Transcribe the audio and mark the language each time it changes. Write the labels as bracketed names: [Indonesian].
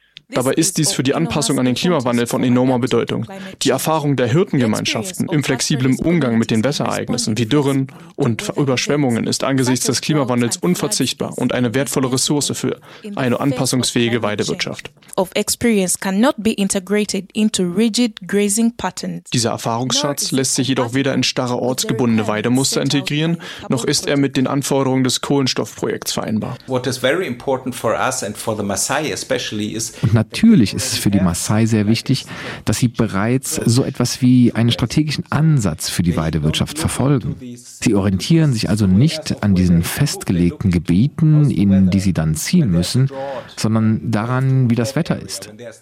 [German] Dabei ist dies für die Anpassung an den Klimawandel von enormer Bedeutung. Die Erfahrung der Hirtengemeinschaften im flexiblen Umgang mit den Wetterereignissen wie Dürren und Überschwemmungen ist angesichts des Klimawandels unverzichtbar und eine wertvolle Ressource für eine anpassungsfähige Weidewirtschaft. Dieser Erfahrungsschatz lässt sich jedoch weder in starre ortsgebundene Weidemuster integrieren, noch ist er mit den Anforderungen des Kohlenstoffprojekts vereinbar. [English] What is very important for us and for the Maasai especially is. [German] Und natürlich ist es für die Maasai sehr wichtig, dass sie bereits so etwas wie einen strategischen Ansatz für die Weidewirtschaft verfolgen. Sie orientieren sich also nicht an diesen festgelegten Gebieten, in die sie dann ziehen müssen, sondern daran, wie das Wetter ist.